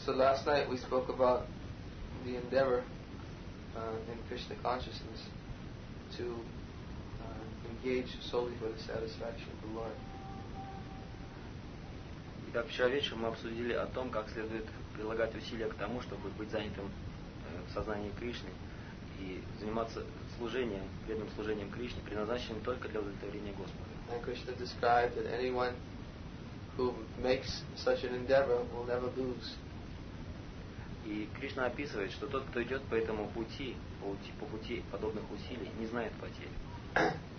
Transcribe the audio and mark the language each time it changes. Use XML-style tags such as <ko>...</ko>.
<en>So last night we spoke about the endeavor in Krishna consciousness to engage solely for the satisfaction of the Lord.</en> <ru>Итак, вчера вечером мы обсудили о том, как следует прилагать усилия к тому, чтобы быть занятым в сознании Кришны и заниматься служением, преданным служением Кришне, предназначенным только для удовлетворения Господа.</ru> <en>And Krishna described that anyone who makes such an endeavor will never lose.</en> <ru>И Кришна описывает, что тот, кто идет по этому пути, по пути подобных усилий, не знает потери.</ru>